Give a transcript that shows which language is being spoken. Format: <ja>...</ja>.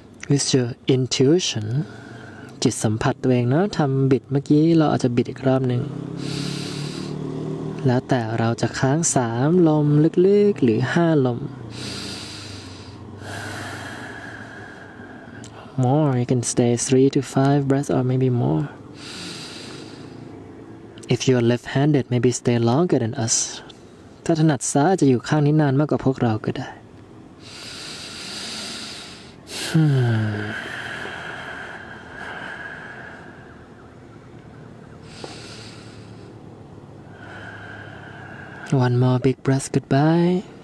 <en>With your intuition,</en> <th>จิตสัมผัสตัวเองเนาะทำบิดเมื่อกี้เราอาจจะบิดอีกรอบหนึ่งแล้วแต่เราจะค้าง3ลมลึกๆหรือ5ลม</th> <en>More, you can stay 3-5 breaths or maybe more. If you are left-handed, maybe stay longer than us.</en> <th>ถ้าถนัดซ้ายจะอยู่ข้างนี้นานมากกว่าพวกเราก็ได้</th> <en>One more big breath, goodbye.</en>